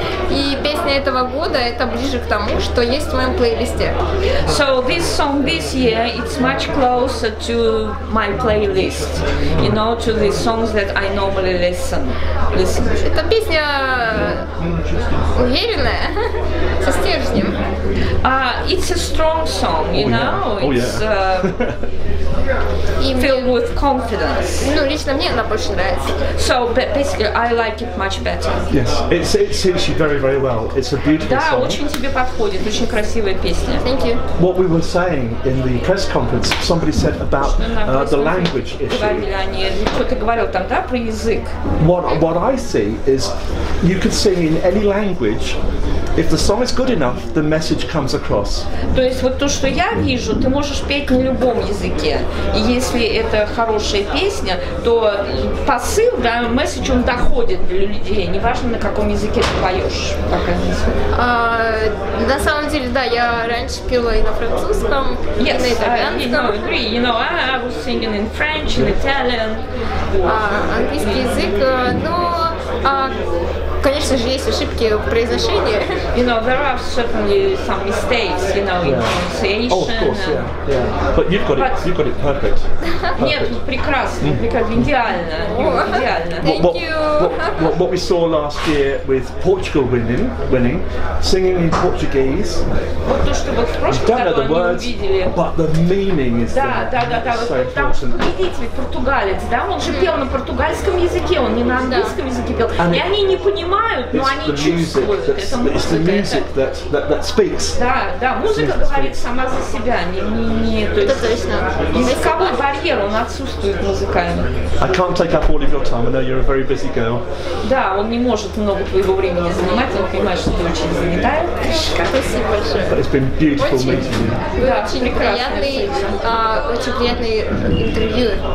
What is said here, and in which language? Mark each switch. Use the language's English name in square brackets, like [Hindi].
[Russian] И песня этого года, это ближе к тому, что есть в моем плейлисте. [English] So this song this year, it's much closer to my playlist, you know, to the songs that I normally listen to. [Russian] Эта песня уверенная, со стержнем. [English] It's a strong song, you know, it's filled with confidence. [Russian] Ну, лично мне она больше нравится. [English] So, basically, I like it much better. Yes, it suits you very, very well. It's a beautiful [Russian] да, [English] song. [Russian] Да, очень тебе подходит, очень красивая песня. [English] Thank you. What we were saying in the press conference, somebody said about the language issue. [Russian] Кто-то говорил там, да, про язык. [English] What I see is you could sing in any language. If the song is good enough, the message comes across. [Russian] То есть вот то, что я вижу, ты можешь петь на любом языке. И если это хорошая песня, то посыл, да, месседж, он доходит для людей. Неважно, на каком языке ты поешь, пока не На самом деле, да, я раньше пела и на французском, [English] yes, [Russian] и на итальянском. [English] You know, I was singing in French, in Italian. [Russian] Английский язык, но... конечно же, есть ошибки в произношении. [English] You know, there are certainly some mistakes, you know, in pronunciation. Oh, of course, yeah. But you've got it perfect. [Russian] Нет, прекрасно, идеально. [English] Thank you. What we saw last year with Portugal winning, singing in Portuguese. [Russian] Вот то, что вот в прошлом году они увидели. [English] But the meaning is [Russian] Там победитель португалец, да, он же пел на португальском языке, он не на английском языке пел. И они не понимают. понимают, но они чувствуют. [English] It's the music that speaks. [Russian] Да, да, музыка говорит сама за себя. Это точно. Языковой барьер, он отсутствует музыкально. [English] I can't take up all of your time. I know you're a very busy girl. [Russian] Да, он не может много твоего времени занимать. Он понимает, что ты очень занята. Спасибо большое. [English] But it's been beautiful meeting you. [Russian] Да, очень приятный, очень приятный интервью.